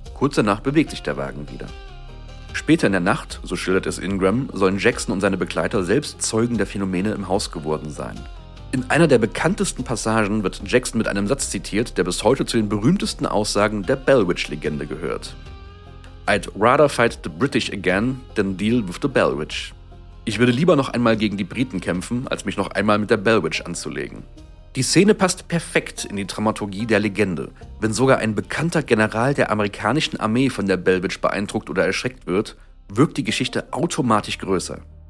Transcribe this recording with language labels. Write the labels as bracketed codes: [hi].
[de] Kurz danach bewegt sich der Wagen wieder. Später in der Nacht, so schildert es Ingram, sollen Jackson und seine Begleiter selbst Zeugen der Phänomene im Haus geworden sein. In einer der bekanntesten Passagen wird Jackson mit einem Satz zitiert, der bis heute zu den berühmtesten Aussagen der Bellwitch-Legende gehört. [en] I'd rather fight the British again than deal with the Bellwitch. [de] Ich würde lieber noch einmal gegen die Briten kämpfen, als mich noch einmal mit der Bellwitch anzulegen. Die Szene passt perfekt in die Dramaturgie der Legende. Wenn sogar ein bekannter General der amerikanischen Armee von der Bellwitch beeindruckt oder erschreckt wird, wirkt die Geschichte automatisch größer.